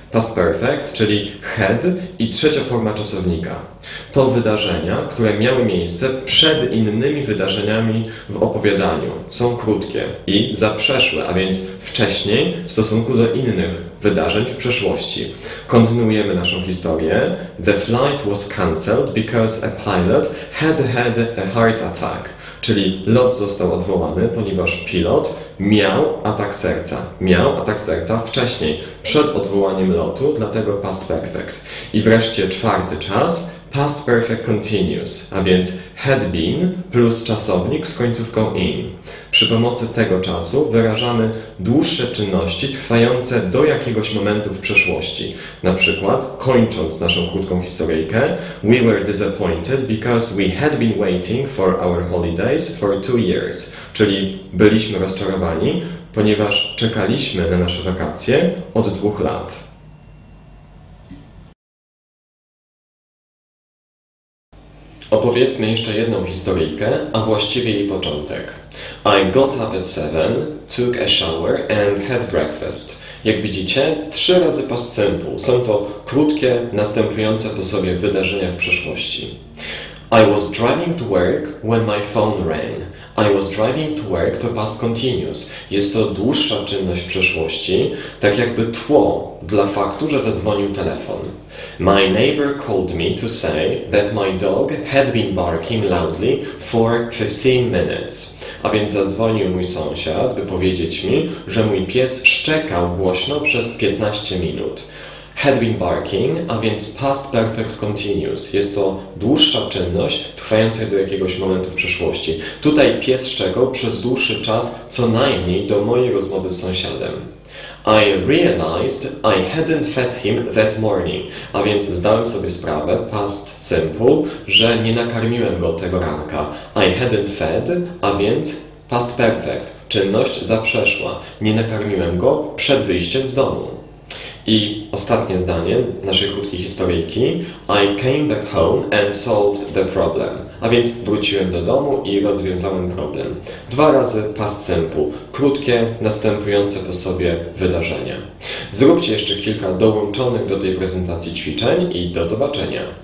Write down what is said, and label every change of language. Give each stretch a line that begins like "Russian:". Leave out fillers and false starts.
Polish: Past perfect, czyli had i trzecia forma czasownika. To wydarzenia, które miały miejsce przed innymi wydarzeniami w opowiadaniu. Są krótkie i zaprzeszłe, a więc wcześniej w stosunku do innych wydarzeń w przeszłości. Kontynuujemy naszą historię.
English: The flight was cancelled because a pilot had a heart attack.
Polish: Czyli lot został odwołany, ponieważ pilot miał atak serca. Miał atak serca wcześniej, przed odwołaniem lotu, dlatego past perfect. I wreszcie czwarty czas, past perfect continuous, a więc had been plus czasownik z końcówką in. Przy pomocy tego czasu wyrażamy dłuższe czynności trwające do jakiegoś momentu w przeszłości. Na przykład, kończąc naszą krótką historyjkę,
English: we were disappointed because we had been waiting for our holidays for 2 years.
Polish: Czyli byliśmy rozczarowani, ponieważ czekaliśmy na nasze wakacje od 2 lat. Opowiedzmy jeszcze jedną historyjkę, a właściwie jej początek.
English: I got up at 7, took a shower and had breakfast.
Polish: Jak widzicie, 3 razy past simple. Są to krótkie, następujące po sobie wydarzenia w przeszłości.
English: I was driving to work when my phone rang. I was driving to work to past continuous.
Polish: Jest to dłuższa czynność przeszłości, tak jakby tło dla faktu, że zadzwonił telefon.
English: My neighbor called me to say that my dog had been barking loudly for 15 minutes.
Polish: A więc zadzwonił mój sąsiad, by powiedzieć mi, że mój pies szczekał głośno przez 15 minut.
English: Had been barking,
Polish: a więc past perfect continuous. Jest to dłuższa czynność trwająca do jakiegoś momentu w przeszłości. Tutaj pies szczekał przez dłuższy czas, co najmniej do mojej rozmowy z sąsiadem.
English: I realized I hadn't fed him that morning.
Polish: A więc zdałem sobie sprawę, past simple, że nie nakarmiłem go tego ranka.
English: I hadn't fed,
Polish: a więc past perfect. Czynność zaprzeszła. Nie nakarmiłem go przed wyjściem z domu. I ostatnie zdanie naszej krótkiej historyjki.
English: I came back home and solved the problem.
Polish: A więc wróciłem do domu i rozwiązałem problem. 2 razy past simple. Krótkie, następujące po sobie wydarzenia. Zróbcie jeszcze kilka dołączonych do tej prezentacji ćwiczeń i do zobaczenia.